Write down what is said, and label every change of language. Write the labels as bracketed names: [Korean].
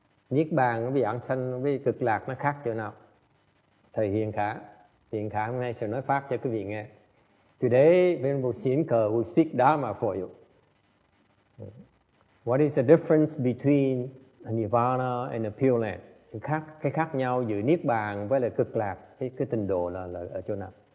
[Vietnamese] Niết bàn với vãng sanh với cực lạc nó khác chỗ nào? Thầy Hiền Khả. Hiền Khả hôm nay sẽ nói pháp cho quý vị nghe. [English] Today, Venerable Sienkhe will speak Dharma for you. What is the difference between a Nirvana and a Pure Land? [Vietnamese] Cái khác nhau giữa niết bàn với là cực lạc, cái tình độ là ở chỗ nào?